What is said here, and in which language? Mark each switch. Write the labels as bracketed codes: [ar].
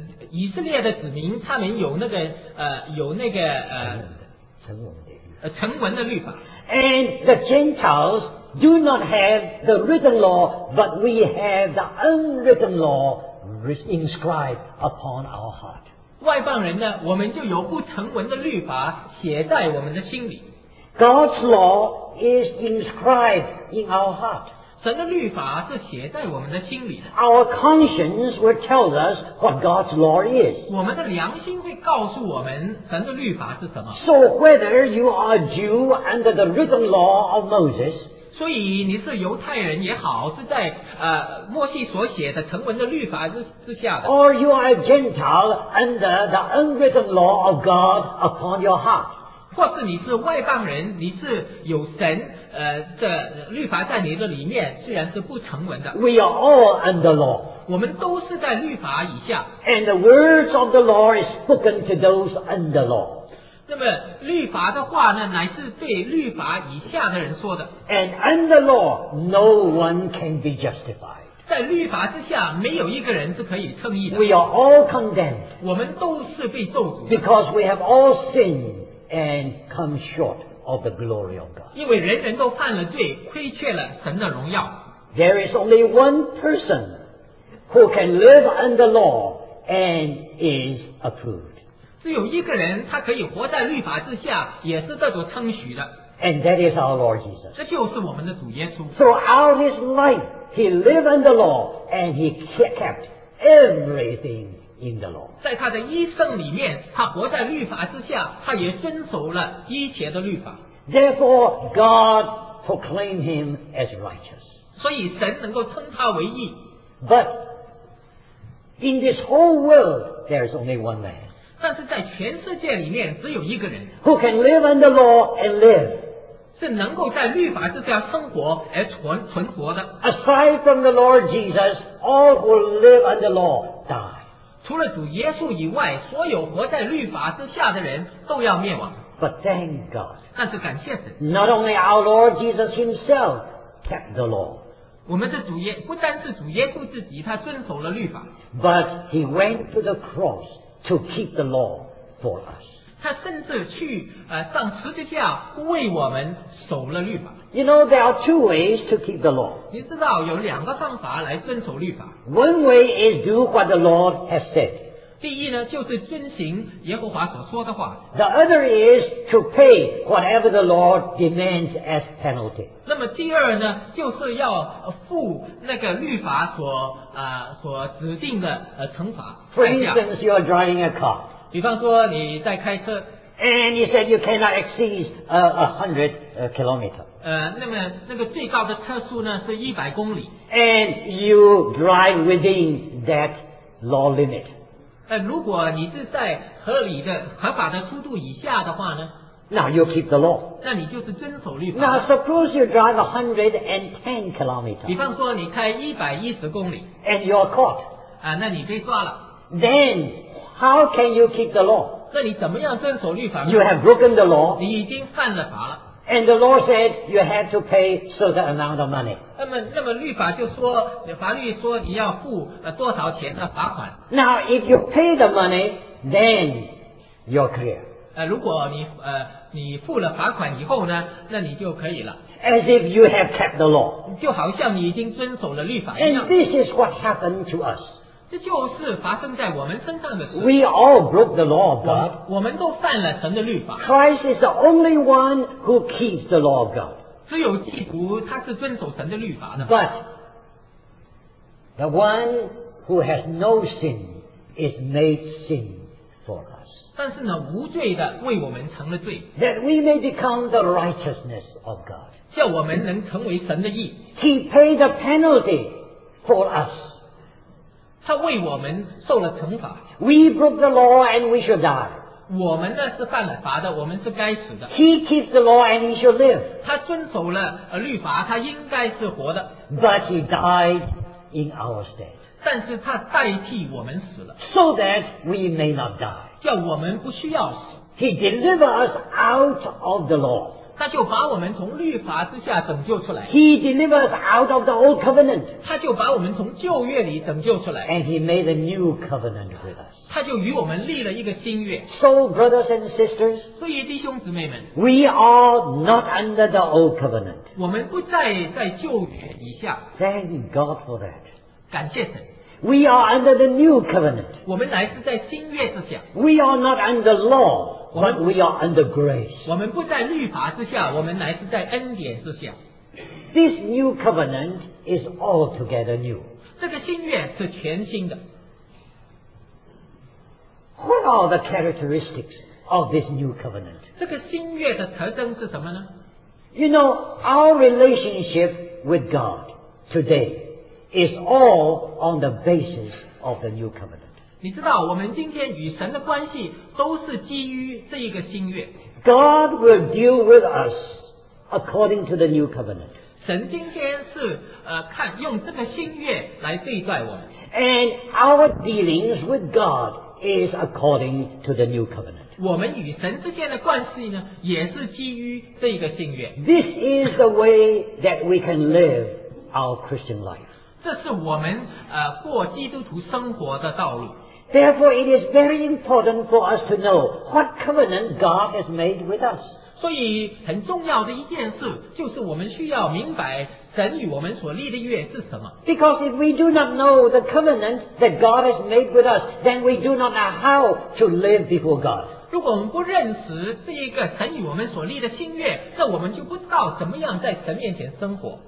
[zh] 以色列的子民他们有那个成文的律法。 [en] And the Gentiles do not have the written law, but we have the unwritten law inscribed upon our heart. [zh] 外邦人呢，我们就有不成文的律法写在我们的心里。 [en] God's law is inscribed in our heart. [zh] 神的律法是写在我们的心里的。 [en] Our conscience will tell us what God's law is. [zh] 我们的良心会告诉我们神的律法是什么。 [en] So whether you are Jew under the written law of Moses, [zh] 所以你是犹太人也好，是在摩西所写的成文的律法之下的。 [en] Or you are a Gentile under the unwritten law of God upon your heart. [zh] 或是你是外邦人，你是有神的律法在你的里面，虽然是不成文的。 [en] We are all under law. [zh] 我们都是在律法以下。 [en] And the words of the law is spoken to those under law. [zh] 那么律法的话呢，乃是对律法以下的人说的。 [en] And under law, no one can be justified. [zh] 在律法之下，没有一个人是可以称义的。 [en] We are all condemned. [zh] 我们都是被咒诅的。 [en] Because we have all sinned. And come short of the glory of God. [zh] 因为人人都犯了罪，亏缺了神的荣耀。 [en] There is only one person who can live under law and is approved. [zh] 只有一个人，他可以活在律法之下，也是得着称许的。 [en] And that is our Lord Jesus. [zh] 这就是我们的主耶稣。 [en] Throughout his life, he lived under law and he kept everything. In the law. [zh] 在他的一生里面他活在律法之下他也遵守了一切的律法 [en] Therefore God proclaimed him as righteous [zh] 所以神能够称他为义 [en] But in this whole world there is only one man [zh] 但是在全世界里面只有一个人 [en] Who can live under law and live [zh] 是能够在律法之下生活而存活的 [en] Aside from the Lord Jesus all who live under law die [zh] 除了主耶稣以外所有活在律法之下的人都要灭亡 [en] But thank God [zh] 但是感谢神 [en] Not only our Lord Jesus himself kept the law. [zh] 我们的主耶不单是主耶稣自己，他遵守了律法。 [en] But he went to the cross to keep the law for us. [zh] 他甚至去上十字架为我们守了律法。 [en] You know there are two ways to keep the law. [zh] 你知道有两个方法来遵守律法。 [en] One way is do what the Lord has said. [zh] 第一呢，就是遵行耶和华所说的话。 [en] The other is to pay whatever the Lord demands as penalty. [zh] 那么第二呢，就是要付那个律法所指定的惩罚。 [en] For instance, you are driving a car. [zh] 比方说你在开车。 [en] And you said you cannot exceed 100 kilometers. [zh] 那个最高的车速呢是100公里。 [en] And you drive within that law limit. [zh] 如果你是在合理的合法的速度以下的话呢， [en] Now you keep the law. [zh] 那你就是遵守律法。 [en] Now suppose you drive 110 kilometers. [zh] 比方说你开110公里。 [en] And you are caught. [zh] 那你被抓了。 [en] Then how can you keep the law? [zh] 那你怎么样遵守律法呢? [en] You have broken the law. [zh] 你已经犯了法了。 [en] And the law said you have to pay certain amount of money. [zh] 那么律法就说，法律说你要付多少钱的罚款。 [en] Now if you pay the money, then you're clear. [zh] 如果你付了罚款以后呢，那你就可以了。 [en] As if you have kept the law. [zh] 就好像你已经遵守了律法一样。 [en] And this is what happened to us. [zh] 这就是发生在我们身上的事。 [en] We all broke the law of God. [zh] 我们都犯了神的律法。 [en] Christ is the only one who keeps the law of God. [zh] 只有基督他是遵守神的律法的。 [en] But the one who has no sin is made sin for us. [zh] 但是呢，无罪的为我们成了罪。 [en] That we may become the righteousness of God. [zh] 叫我们能成为神的义。 [en] He paid the penalty for us. [zh] 他为我们受了惩罚。 [en] We broke the law and we should die. [zh] 我们呢是犯了法的，我们是该死的。 [en] He keeps the law and he should live. [zh] 他遵守了律法，他应该是活的。 [en] But he died in our stead. [zh] 但是他代替我们死了。 [en] So that we may not die. [zh] 叫我们不需要死。 [en] He delivered us out of the law. [zh] 他就把我们从律法之下拯救出来。 [en] He delivered us out of the old covenant. [zh] 他就把我们从旧约里拯救出来。 [en] And he made a new covenant with us. [zh] 他就与我们立了一个新约。 [en] So, brothers and sisters, [zh] 所以弟兄姊妹们， [en] we are not under the old covenant. [zh] 我们不再在旧约以下。 [en] Thank God for that. [zh] 感谢神。 [en] We are under the new covenant. [zh] 我们乃是在新约之下。 [en] We are not under law, but we are under grace. [zh] 我们不在律法之下，我们乃是在恩典之下。 [en] This new covenant is altogether new. [zh] 这个新约是全新的。 [en] What are the characteristics of this new covenant? [zh] 这个新约的特征是什么呢? [en] You know, our relationship with God today is all on the basis of the new covenant. [zh] 你知道我们今天与神的关系都是基于这一个新约。 [en] God will deal with us according to the new covenant. [zh] 神今天是看用这个新约来对待我们。 [en] And our dealings with God is according to the new covenant. [zh] 我们与神之间的关系呢，也是基于这个新约。 [en] This is the way that we can live our Christian life. [zh] 这是我们过基督徒生活的道路。 [en] Therefore, it is very important for us to know what covenant God has made with us. [zh] 所以很重要的一件事就是我们需要明白神与我们所立的约是什么。 [en] Because if we do not know the covenant that God has made with us, then we do not know how to live before God. [zh] 如果我们不认识这一个神与我们所立的新约，那我们就不知道怎么样在神面前生活。